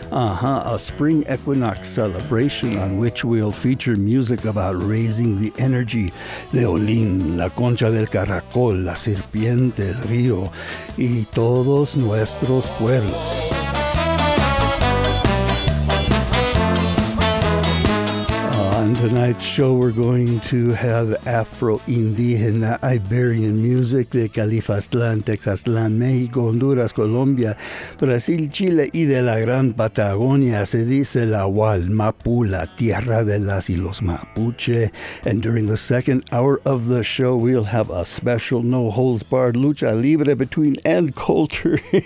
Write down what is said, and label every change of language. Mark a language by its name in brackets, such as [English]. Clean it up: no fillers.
[English] A spring equinox celebration on which we'll feature music about raising the energy. [Spanish] Leolín, la concha del caracol, la serpiente, el río y todos nuestros pueblos. [English] On tonight's show, we're going to have Afro-Indígena Iberian music de Califastlán, Texaslán, México, Honduras, Colombia, Brasil, Chile y de la Gran Patagonia. [Spanish] Se dice la Hual Mapu, la tierra de las y los Mapuche. [English] And during the second hour of the show, we'll have a special no-holds-barred lucha libre between and culture.